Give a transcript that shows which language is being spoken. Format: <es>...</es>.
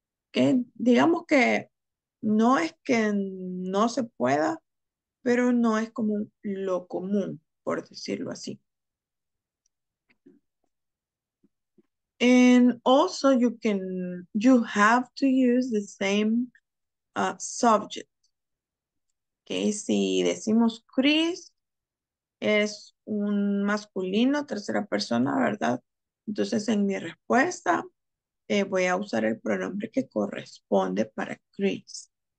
<es>Okay, digamos que no es que no se pueda, pero no es como lo común, por decirlo así.</es> <en>And also you have to use the same subject.</en> <es>Okay, si decimos Chris, es un masculino, tercera persona, ¿verdad? Entonces en mi respuesta voy a usar el pronombre que corresponde para Chris.</es>